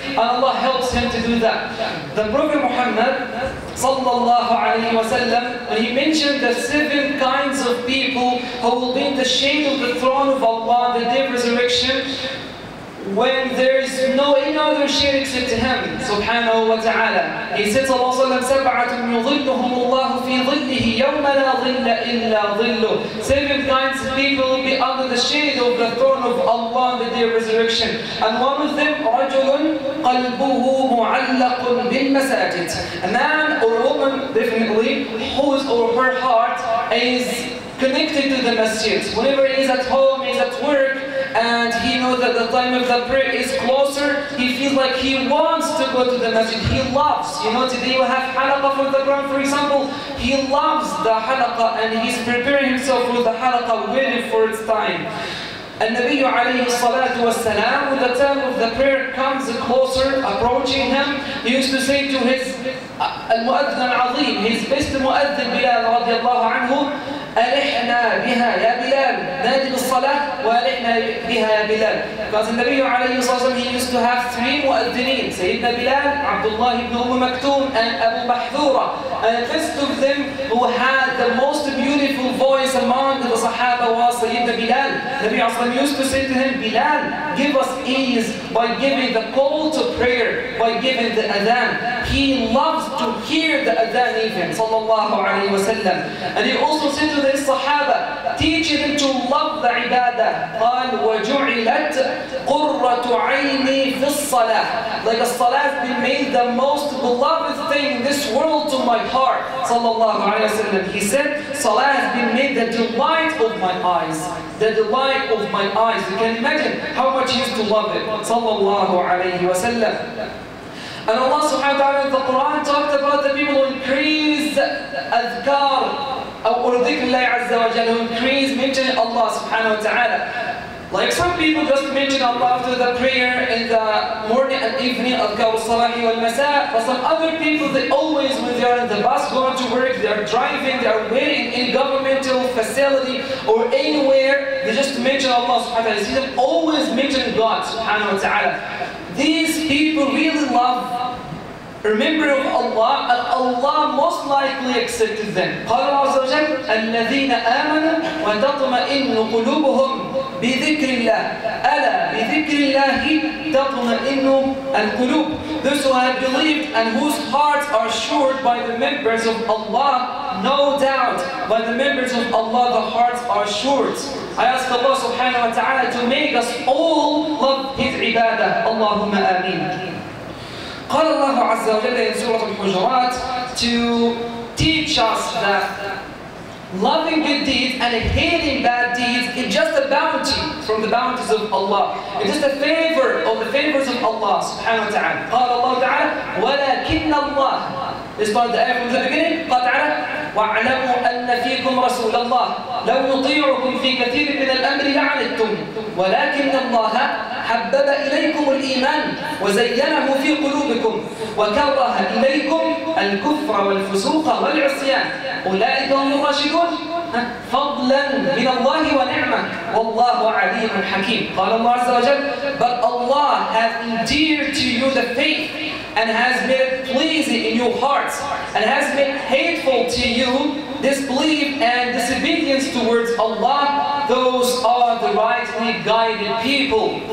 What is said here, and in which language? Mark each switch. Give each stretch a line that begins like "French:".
English: And Allah helps him to do that. The Prophet Muhammad, sallallahu alayhi wa sallam, when he mentioned the 7 kinds of people who will be in the shade of the throne of Allah on the day of resurrection, when there is no any other shade except him, subhanahu wa ta'ala. He said, sallallahu alayhi wa sallam,
Arabic: سَبْعَةٌ يُظِلُّهُمُ اللَّهُ فِي ظِلِّهِ يَوْمَ لَا ظِلَّ إِلَّا ظِلُّ.
English: 7 kinds of people will be under the shade of the throne of Allah on the day of resurrection. And one of them,
Arabic: رَجُلٌ قَلْبُهُ مُعَلَّقٌ بِالْمَسَاجِدِ.
English: A man or woman, definitely, whose or her heart is connected to the masjid. Whenever he is at home, he is at work, and he knows that the time of the prayer is closer, he feels like he wants to go to the masjid. He loves, you know, today you have halaqah for the ground, for example. He loves the halaqah and he's preparing himself for the halaqah, waiting for its time. And Nabi alayhi salatu wasalam, when the time of the prayer comes closer, approaching him, he used to say to his al-mu'adhdhan al-azim, his best mu'adhdhan Bilal radiallahu anhu,
Arabic: أَلِحْنَا بِهَا يَا بِلَال
English: نَادِي الصَّلَاةِ وَأَلِحْنَا بِهَا يَا بِلَال. Because the Prophet
Arabic: عليه الصلاة والسلام,
English: he used to have 3 مؤذنين, سيدنا بلال, عبدالله بن أم مكتوم, and أبو بحذورة. And the first of them who had the most beautiful voice among the Sahaba was سيدنا بلال. The Prophet
Arabic: عليه الصلاة والسلام
English: used to say to him, بلال, give us ease by giving the call to prayer, by giving the adhan. He loves to hear the adhan even,
Arabic: صلى الله عليه وسلم.
English: And he also said to the Sahaba, teach them to love the ibadah.
Arabic: قال وجعلت قرة عيني في الصلاة.
English: Like a salat been made the most beloved thing in this world to my heart.
Arabic: صلى الله عليه وسلم.
English: He said, salat has been made the delight of my eyes. The delight of my eyes. You can imagine how much he used to love it.
Arabic: صلى الله عليه وسلم.
English: And Allah subhanahu wa ta'ala in the Quran talked about the people who increase adhkar or dhikr Allah azza wa jalla, who increase mentioning Allah subhanahu wa ta'ala. Like some people just mention Allah after the prayer in the morning and evening, adhkar al-salahi wal-masa'. But some other people, they always, when they are in the bus going to work, they are driving, they are waiting in governmental facility or anywhere, they just mention Allah subhanahu wa ta'ala. See them always mention God subhanahu wa ta'ala. These people really love remembering of Allah, and Allah most likely accepted them.
Arabic: قال الله عز وجل الذين آمنوا وتطمئن قلوبهم بذكر الله ألا بذكر الله تطمئن القلوب.
English: Those who have believed and whose hearts are assured by the members of Allah, no doubt by the members of Allah the hearts are assured. I ask Allah subhanahu wa ta'ala to make us all love His ibadah. Allahumma ameen.
Arabic: قال الله عز وجل
English: in Surah Al-Hujurat, to teach us that loving good deeds and hating bad deeds is just a bounty from the bounties of Allah. It is the favor of the favors of Allah subhanahu wa ta'ala.
Arabic: قال الله تعالى وَلَكِنَّ اللَّهِ.
English: This part of the ayah from the beginning,
Arabic: قال تعالى وَاعْلَمُوا أَنَّ فِيكُمْ رَسُولَ اللَّهِ لَوْ يُطِيعُكُمْ فِي كَثِيرٍ مِنَ الْأَمْرِ لَعَنِتُّمْ وَلَكِنَّ اللَّهَ حَبَّبَ إِلَيْكُمُ الْإِيمَانَ وَزَيَّنَهُ فِي قُلُوبِكُمْ وَكَرَّهَ إِلَيْكُمْ الْكُفْرَ وَالْفُسُوقَ وَالْعِصْيَانَ أُولَئِكَ هُمُ الرَّاشِدُونَ فَضْلًا مِنَ اللَّهِ وَنِعْمَةً وَاللَّهُ عَلِيمٌ حَكِيمٌ. قَالَ اللَّهُ عَزَّ وَجَلَّ
English: but Allah has endeared to you the faith and has made pleasing in your hearts and has made hateful to you disbelief and disobedience towards Allah. Those are the rightly guided people.